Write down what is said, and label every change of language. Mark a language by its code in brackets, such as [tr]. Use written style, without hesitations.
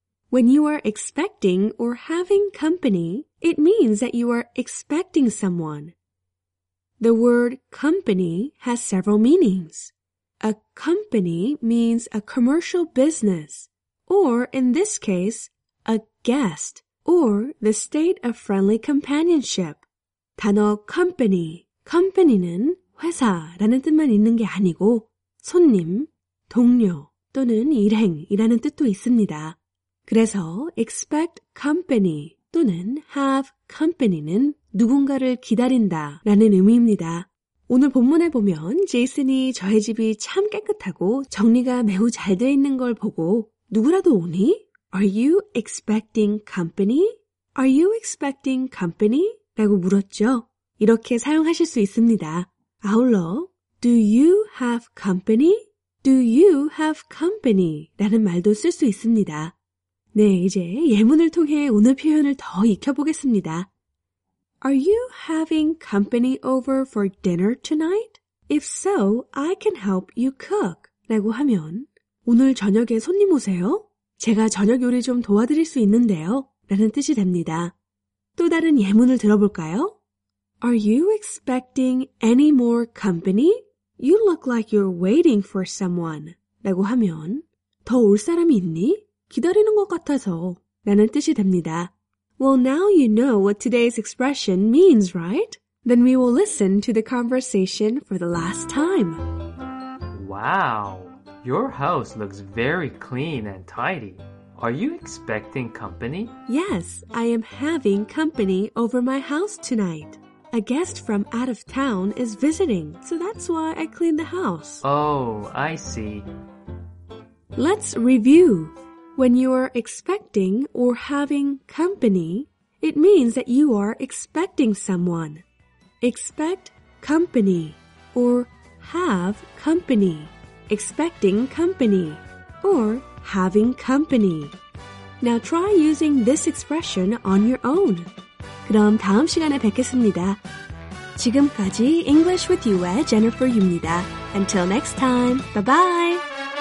[en] When you are expecting or having company, it means that you are expecting someone. The word company has several meanings. A company means a commercial business, or in this case, a guest, or the state of friendly companionship. [ko] 단어 company, company는 회사라는 뜻만 있는 게 아니고 손님, 동료 또는 일행이라는 뜻도 있습니다. 그래서 expect company 또는 have company는 누군가를 기다린다 라는 의미입니다. 오늘 본문에 보면 제이슨이 저의 집이 참 깨끗하고 정리가 매우 잘 돼 있는 걸 보고 누구라도 오니? [en] Are you expecting company? Are you expecting company? [ko] 라고 물었죠. 이렇게 사용하실 수 있습니다. [en] 아울러 Do you have company? Do you have company? [ko] 라는 말도 쓸 수 있습니다. 네, 이제 예문을 통해 오늘 표현을 더 익혀보겠습니다. [en] Are you having company over for dinner tonight? If so, I can help you cook. [ko] 라고 하면 오늘 저녁에 손님 오세요? 제가 저녁 요리 좀 도와드릴 수 있는데요. 라는 뜻이 됩니다. 또 다른 예문을 들어볼까요? [en] Are you expecting any more company? You look like you're waiting for someone. [ko] 라고 하면 더 올 사람이 있니? 기다리는 것 같아서 라는 뜻이 됩니다. [en] Well, now you know what today's expression means, right? Then we will listen to the conversation for the last time. Wow, your house looks very clean and tidy. Are you expecting company? Yes, I am having company over my house tonight. A guest from out of town is visiting, so that's why I cleaned the house. Oh, I see. Let's review. When you are expecting or having company, it means that you are expecting someone. Expect company or have company. Expecting company or having company. Now try using this expression on your own. [ko] 그럼 다음 시간에 뵙겠습니다. 지금까지 English with You의 Jennifer 유입니다. [en] Until next time, bye-bye!